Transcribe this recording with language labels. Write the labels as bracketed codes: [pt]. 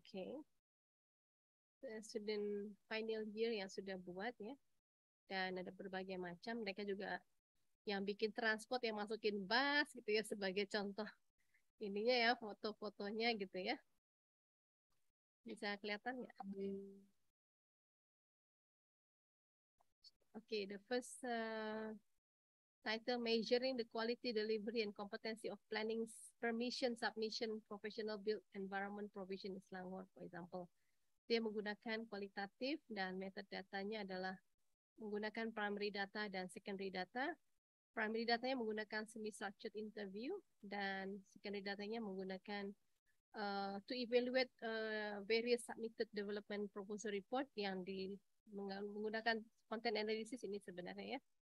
[en] Okay. [id] Student final year yang sudah buat ya. Dan ada berbagai macam. Mereka juga yang bikin transport, yang masukin bus gitu ya, sebagai contoh ininya ya, foto-fotonya gitu ya. Bisa kelihatan nggak? [en] Oke, okay, the first title, Measuring the Quality Delivery and Competency of Planning Permission Submission Professional Built Environment Provision in Selangor, for example. [id] Dia menggunakan kualitatif dan metode datanya adalah menggunakan primary data dan secondary data. Primary datanya menggunakan semi-structured interview dan secondary datanya menggunakan [en] to evaluate various submitted development proposal report [id] yang di menggunakan content analysis ini sebenarnya ya.